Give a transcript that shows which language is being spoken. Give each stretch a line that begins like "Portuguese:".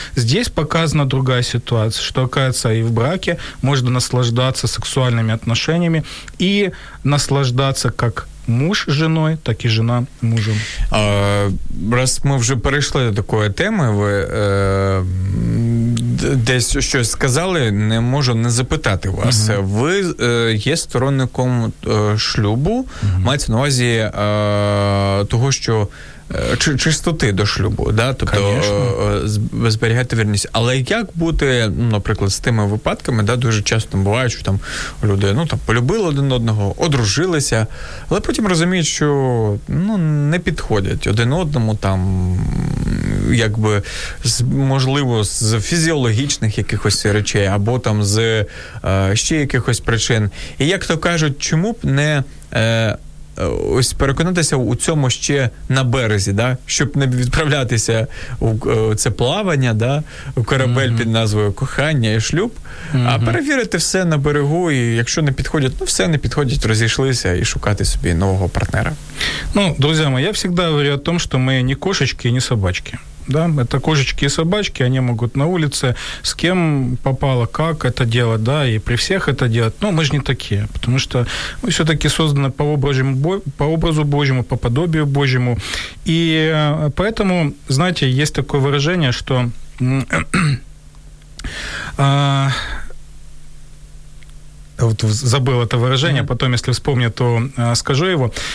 Russian: Здесь показана другая ситуация, что, оказывается, и в браке можно наслаждаться сексуальными отношениями и наслаждаться как муж женой, так и жена мужем. А, раз мы уже
Ukrainian: перейшли до такой темы, вы десь щось сказали, не можу не запитати вас. Ви є сторонником шлюбу, мається на увазі того, що чистоти до шлюбу, да? Тобто зберігати вірність. Але як бути, ну, наприклад, з тими випадками, да, дуже часто буває, що там люди, ну, там, полюбили один одного, одружилися, але потім розуміють, що, ну, не підходять один одному, там, якби, можливо, з фізіологічних якихось речей, або там з ще якихось причин. І як то кажуть, чому б не ось переконатися у цьому ще на березі, да? Щоб не відправлятися у це плавання, да? У корабель під назвою «Кохання і шлюб», а перевірити все на берегу, і якщо не підходять, ну все, не підходять, розійшлися, і шукати собі нового партнера. Ну, друзі мої, я завжди говорю о том, що ми не кошечки, не собачки.
Russian: Да, это кошечки и собачки, они могут на улице, с кем попало, как это делать, да, и при всех это делать. Но мы же не такие, потому что мы все-таки созданы по образу Божьему, по подобию Божьему. И поэтому, знаете, есть такое выражение, что вот забыл это выражение, потом, если вспомню, то скажу его.